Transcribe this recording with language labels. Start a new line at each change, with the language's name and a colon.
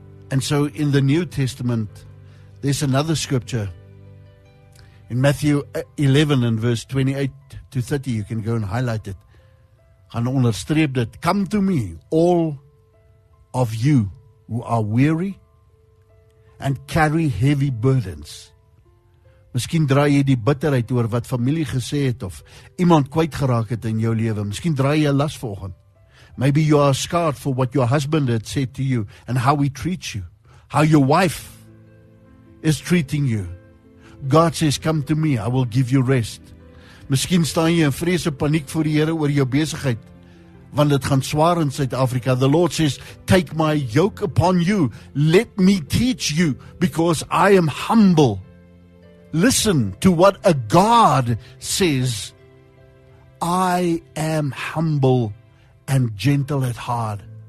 English: And so in the New Testament, there's another scripture in Matthew 11 and verse 28 to 30. You can go and highlight it.
Afrikaans: Gaan onderstreep dit.
English: Come to me, all of you who are weary and carry heavy burdens.
Afrikaans: Miskien draai jy die bitterheid oor wat familie gesê het of iemand kwyt geraak het in jou lewe. Miskien draai jy 'n las vanoggend.
English: Maybe you are scarred for what your husband had said to you and how he treats you. How your wife is treating you. God says, come to me, I will give you rest.
Afrikaans: Miskien staan jy in vrees en paniek voor die Here oor jou besigheid. Want dit gaan swaar in Suid-Afrika.
English: The Lord says, take my yoke upon you. Let me teach you, because I am humble. Listen to what a God says. I am humble and gentle at heart.